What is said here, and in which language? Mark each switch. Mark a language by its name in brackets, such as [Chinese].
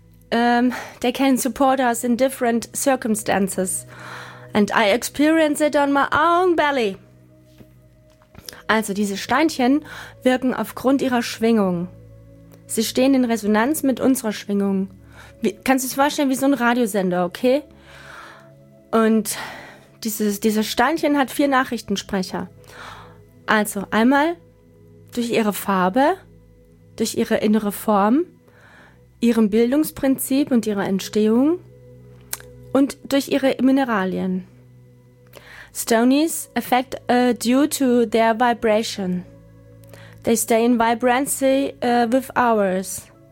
[English] they can support us in different circumstances. And I experience it on my own belly. [German] Also diese Steinchen wirken aufgrund ihrer Schwingung. Sie stehen in Resonanz mit unserer Schwingung. Kannst du es vorstellen wie so ein Radiosender, okay? Und dieses Steinchen hat 4 Nachrichtensprecher. Also einmal durch ihre Farbe, durch ihre innere Form, ihrem Bildungsprinzip und ihrer Entstehung und durch ihre Mineralien. [English] Stonies affect due to their vibration. They stay in vibrancy with ours.